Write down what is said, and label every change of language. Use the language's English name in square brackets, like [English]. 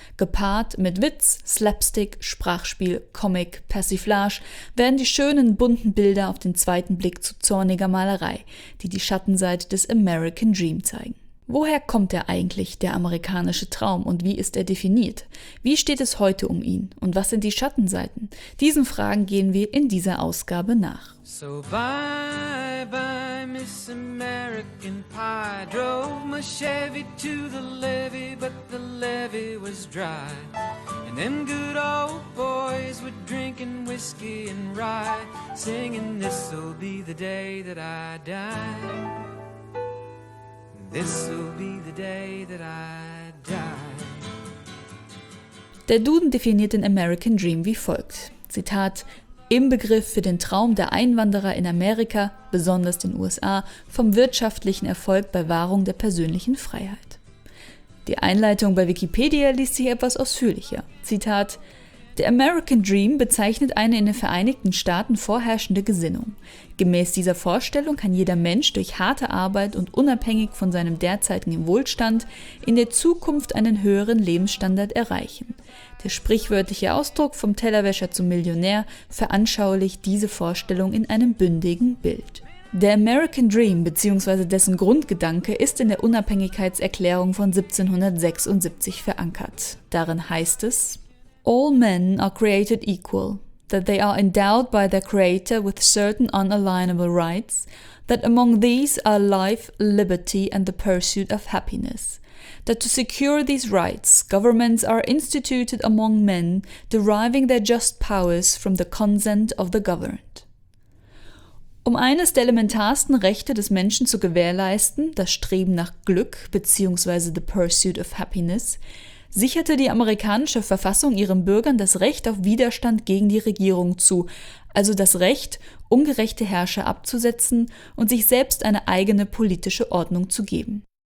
[German] Gepaart mit Witz, Slapstick, Sprachspiel, Comic, Persiflage werden die schönen, bunten Bilder auf den zweiten Blick zu zorniger Malerei, die Schattenseite des American Dream zeigen. Woher kommt er eigentlich, der amerikanische Traum, und wie ist er definiert? Wie steht es heute um ihn und was sind die Schattenseiten? Diesen Fragen gehen wir in dieser Ausgabe nach. [English] So bye, bye, Miss American Pie. Drove my Chevy to the levee, but the levee was dry. And them good old boys were drinking whiskey and rye, singing this'll be the day that I die. This'll be the day that I die. [German] Der Duden definiert den American Dream wie folgt. Zitat: Im Begriff für den Traum der Einwanderer in Amerika, besonders den USA, vom wirtschaftlichen Erfolg bei Wahrung der persönlichen Freiheit. Die Einleitung bei Wikipedia liest sich etwas ausführlicher. Zitat: Der American Dream bezeichnet eine in den Vereinigten Staaten vorherrschende Gesinnung. Gemäß dieser Vorstellung kann jeder Mensch durch harte Arbeit und unabhängig von seinem derzeitigen Wohlstand in der Zukunft einen höheren Lebensstandard erreichen. Der sprichwörtliche Ausdruck vom Tellerwäscher zum Millionär veranschaulicht diese Vorstellung in einem bündigen Bild. Der American Dream bzw. dessen Grundgedanke ist in der Unabhängigkeitserklärung von 1776 verankert. Darin heißt es: [English] All men are created equal, that they are endowed by their creator with certain unalienable rights, that among these are life, liberty and the pursuit of happiness, that to secure these rights, governments are instituted among men, deriving their just powers from the consent of the governed. [German] Um eines der elementarsten Rechte des Menschen zu gewährleisten, das Streben nach Glück bzw. [English] the pursuit of happiness, [German] sicherte die amerikanische Verfassung ihren Bürgern das Recht auf Widerstand gegen die Regierung zu, also das Recht, ungerechte Herrscher abzusetzen und sich selbst eine eigene politische Ordnung zu geben.